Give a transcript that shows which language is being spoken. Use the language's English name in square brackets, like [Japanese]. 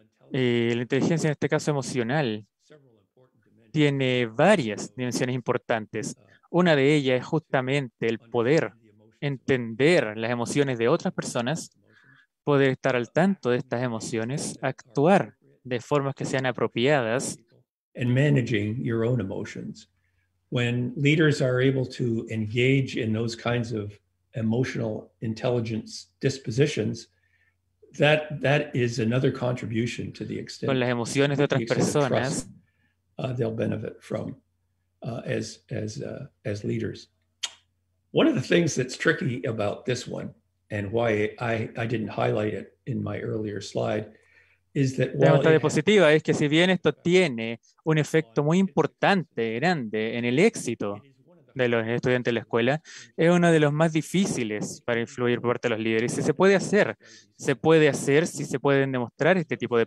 [Spanish] La inteligencia, en este caso emocional, tiene varias dimensiones importantes. Una de ellas es justamente el poder entender las emociones de otras personas, poder estar al tanto de estas emociones, actuar de formas que sean apropiadas. [English] And managing your own emotions. When leaders are able to engage in those kinds of emotional intelligence dispositions, That is another contribution to the extent. [Spanish] Con las emociones de otras personas, [English] they'll benefit from as leaders. One of the things that's tricky about this one and why I didn't highlight it in my earlier slide is that [Spanish] la nota de positiva es que si bien esto tiene un efecto muy importante, grande en el éxito de los estudiantes de la escuela, es uno de los más difíciles para influir por parte de los líderes. Y se puede hacer si se pueden demostrar este tipo de